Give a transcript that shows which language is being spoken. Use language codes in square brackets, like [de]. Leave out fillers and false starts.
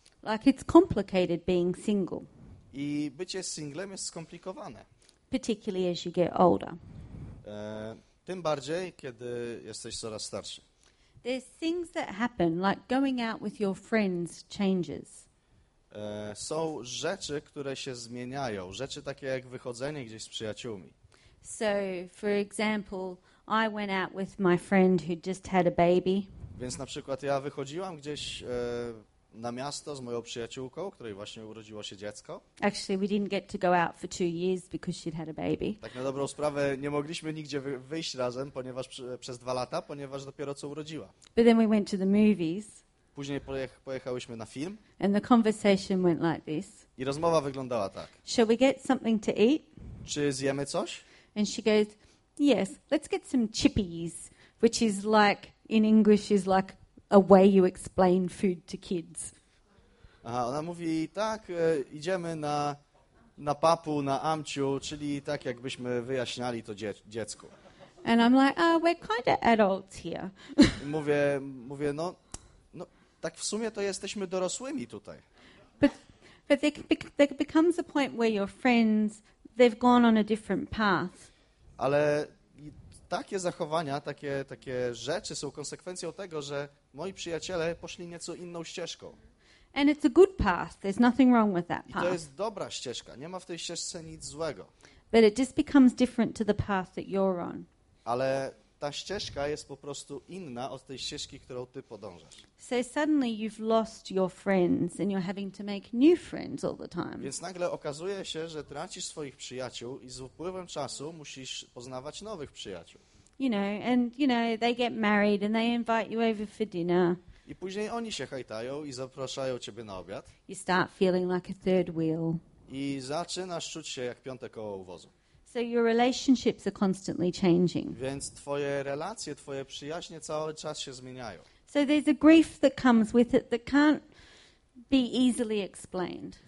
[en] Like it's complicated being single. [pl] I bycie singlem jest skomplikowane. [en] Particularly as you get older. [pl] Tym bardziej, kiedy jesteś coraz starszy. [en] There's things that happen, like going out with your friends changes. [pl] Są rzeczy, które się zmieniają, rzeczy takie jak wychodzenie gdzieś z przyjaciółmi. [en] So, for example, I went out with my friend who just had a baby. [pl] Więc na przykład ja wychodziłam gdzieś na miasto z moją przyjaciółką, której właśnie urodziło się dziecko. [en] Actually, we didn't get to go out for 2 years because she'd had a baby. [pl] Tak na dobrą sprawę nie mogliśmy nigdzie wyjść razem, ponieważ przez 2 lata, ponieważ dopiero co urodziła. [en] But then we went to the movies. [pl] Później pojechałyśmy na film. [en] And the conversation went like this. [pl] I rozmowa wyglądała tak. [en] Shall we get something to eat? [pl] Czy zjemy coś? [en] And she goes, yes, let's get some chippies, which is like, in English, is like a way you explain food to kids. [pl] Aha, ona mówi, tak, idziemy na papu, na amciu, czyli tak, jakbyśmy wyjaśniali to dziecku. [en] And I'm like, oh, we're kind of adults here. [pl] Mówię, no. Tak w sumie to jesteśmy dorosłymi tutaj. [en] But there becomes a point where your friends, they've gone on a different path. [pl] Ale takie zachowania, takie rzeczy są konsekwencją tego, że moi przyjaciele poszli nieco inną ścieżką. [en] And it's a good path. There's nothing wrong with that path. [pl] I to jest dobra ścieżka. Nie ma w tej ścieżce nic złego. [en] But it just becomes different to the path that you're on. [pl] Ale ta ścieżka jest po prostu inna od tej ścieżki, którą ty podążasz. [en] So suddenly you've lost your friends and you're having to make new friends all the time. [pl] Więc nagle okazuje się, że tracisz swoich przyjaciół i z upływem czasu musisz poznawać nowych przyjaciół. [en] You know, and you know, they get married and they invite you over for dinner. [pl] I później oni się hajtają i zapraszają ciebie na obiad. [en] You start feeling like a third wheel. [pl] I zaczynasz czuć się jak piąte koło u wozu. [en] So your relationships are constantly changing. [pl] Więc twoje relacje, twoje przyjaźnie cały czas się zmieniają. [en] So there's a grief that comes with it that can't be easily explained.